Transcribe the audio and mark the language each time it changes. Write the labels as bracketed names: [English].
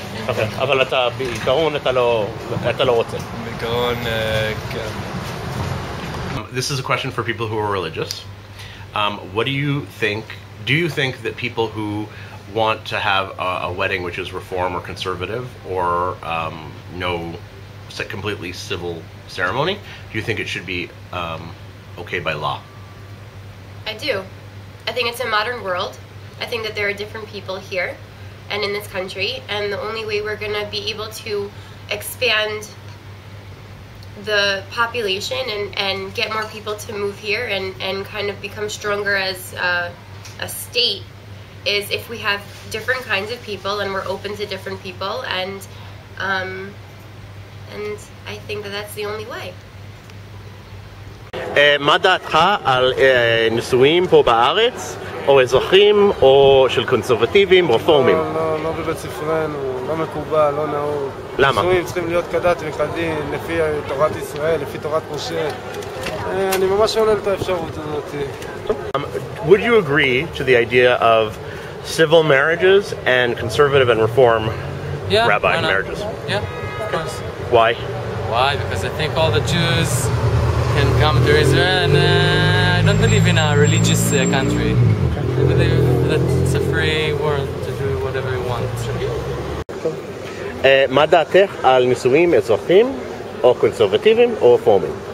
[Hebrew] אוקיי, אבל אתה בעיקרון אתה לא רוצה. בעיקרון, כן. [English] This is a question for people who are religious. What do you think that people who want to have a wedding which is reform or conservative or no completely civil ceremony, do you think it should be okay by law? I do. I think it's a modern world. I think that there are different people here and in this country, and the only way we're going to be able to expand the population and get more people to move here and kind of become stronger as a state is if we have different kinds of people and we're open to different people and I think that that's the only way. [Hebrew] מה דעתך על נישואים פה בארץ, או אזרחים, או של קונסרבטיבים, רפורמים? לא בבית ספרנו, לא מקובל, לא נהוג. למה? נישואים צריכים להיות כדת וכדין, לפי תורת ישראל, לפי תורת משה. אני ממש שולל את האפשרות הזאת. [English] Would you agree to the idea of civil marriages and conservative and reform rabbi marriages? Yeah, of course. Why? Why? Because I think all the Jews can come to Israel and I don't believe in a religious country. I believe that it's a free world to do whatever you want. [Hebrew] מה דעתך על נישואים אזרחים או קונסרבטיביים או רפורמים?